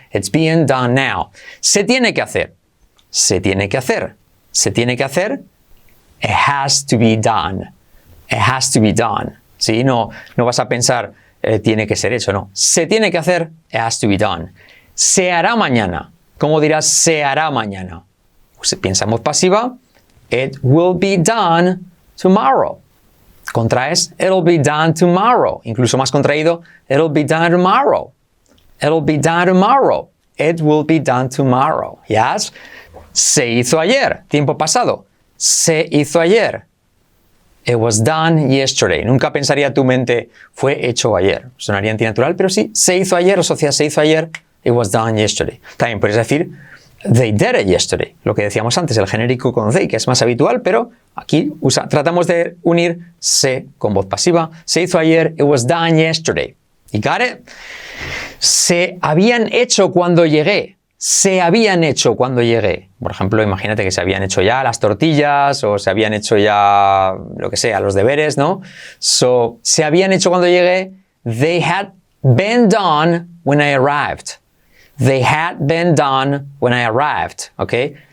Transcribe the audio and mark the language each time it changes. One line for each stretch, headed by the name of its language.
English: It's being done now.
Spanish: ¿Se tiene que hacer? Se tiene que hacer. ¿Se tiene que hacer?
English: It has to be done. It has to be done. ¿Sí?
Spanish: No vas a pensar, tiene que ser hecho, ¿no? Se tiene que hacer.
English: It has to be done.
Spanish: Se hará mañana. ¿Cómo dirás se hará mañana? Pues piensa en voz pasiva.
English: It will be done tomorrow.
Spanish: Contraes.
English: It'll be done tomorrow.
Spanish: Incluso más contraído.
English: It'll be done tomorrow. It'll be done tomorrow. It will be done tomorrow.
Spanish: ¿Yes? Se hizo ayer. Tiempo pasado. Se hizo ayer.
English: It was done yesterday.
Spanish: Nunca pensaría tu mente fue hecho ayer. Sonaría antinatural, pero sí. Se hizo ayer. O sea, se hizo ayer.
English: It was done yesterday.
Spanish: También puedes decir,
English: they did it yesterday.
Spanish: Lo que decíamos antes, el genérico con they, que es más habitual, pero aquí tratamos de unir se con voz pasiva. Se hizo ayer,
English: it was done yesterday. You got it?
Spanish: Se habían hecho cuando llegué. se habían hecho cuando llegué. Por ejemplo, imagínate que se habían hecho ya las tortillas o se habían hecho ya, lo que sea, los deberes, ¿no? So, se habían hecho cuando llegué.
English: They had been done when I arrived. They had been done when I arrived, ¿ok?